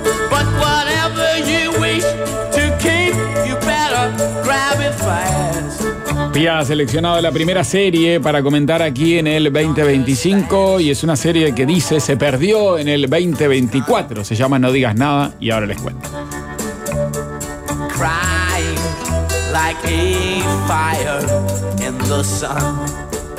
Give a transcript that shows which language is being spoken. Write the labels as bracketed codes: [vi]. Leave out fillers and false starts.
[en] But whatever you wish to keep, you better grab it fast. [es] Pia ha seleccionado la primera serie para comentar aquí en el 2025 y es una serie que dice se perdió en el 2024. Se llama No digas nada y ahora les cuento. [en] Crying like a fire in the sun.